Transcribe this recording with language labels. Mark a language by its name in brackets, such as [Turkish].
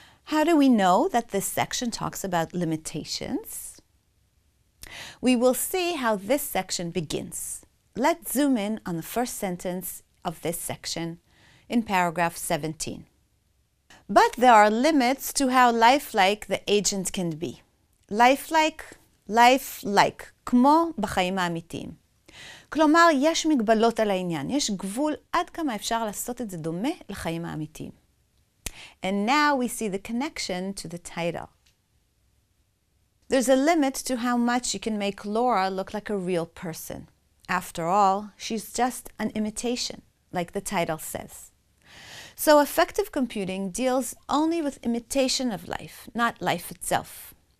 [English] How do we know that this section talks about limitations? We will see how this section begins. Let's zoom in on the first sentence of this section in paragraph 17. But there are limits to how lifelike the agent can be. Lifelike, lifelike, [Hebrew] כמו בחיים האמיתיים. כלומר, יש מגבלות על העניין, יש גבול עד כמה אפשר לעשות את זה דומה לחיים האמיתיים. [English] And now we see the connection to the title. There's a limit to how much you can make Laura look like a real person. After all, she's just an imitation, like the title says. So effective computing deals only with imitation of life, not life itself.